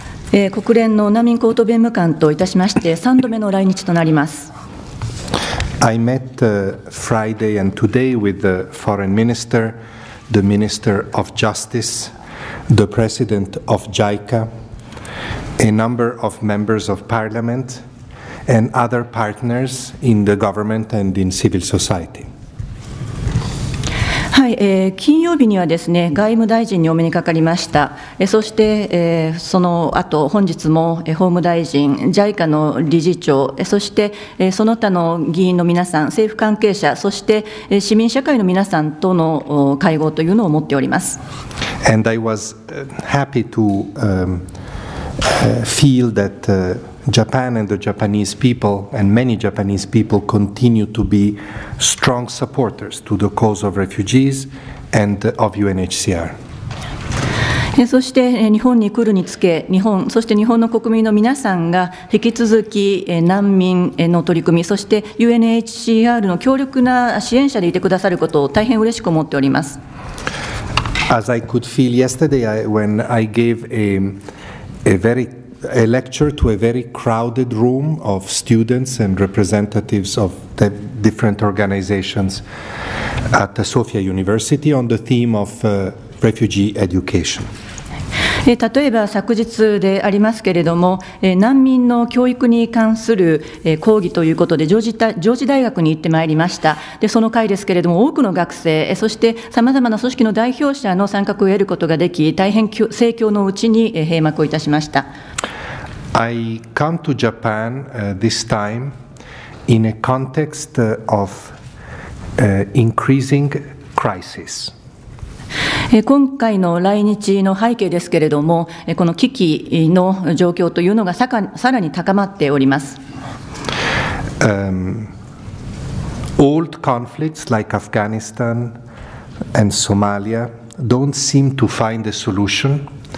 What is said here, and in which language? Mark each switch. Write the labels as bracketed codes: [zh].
[ja] 国連の難民高等弁務官といたしまして3度目の来日となります。 [en] I met Friday and today with the Foreign Minister, the Minister of Justice, the President of JICA, a number of Members of Parliament, and other partners in the government and in civil society. [ja] はい、金曜日にはですね、外務大臣にお目にかかりました。そして、その後、本日も法務大臣、JICA の理事長、そして、その他の議員の皆さん、政府関係者、そして、市民社会の皆さんとの会合というのを持っております。 [en] And I was happy to feel that Japan and the Japanese people and many Japanese people continue to be strong supporters to the cause of refugees and of UNHCR. [ja] そして日本に来るにつけ、日本、そして日本の国民の皆さんが引き続き難民の取り組み、そして UNHCR の強力な支援者でいてくださることを大変嬉しく思っております。 [en] As I could feel yesterday when I gave a lecture to a very crowded room of students and representatives of the different organizations at the Sofia University on the theme of refugee education. [ja] 例えば昨日でありますけれども、難民の教育に関する講義ということでジョージ大学に行ってまいりました。で、その会ですけれども、多くの学生、そしてさまざまな組織の代表者の参画を得ることができ、大変盛況のうちに閉幕をいたしました。 [en] I come to Japan this time in a context of increasing crisis. [ja] 今回の来日の背景ですけれども、この危機の状況というのがさらに高まっております。 [en] Old conflicts like Afghanistan and Somalia don't seem to find a solution.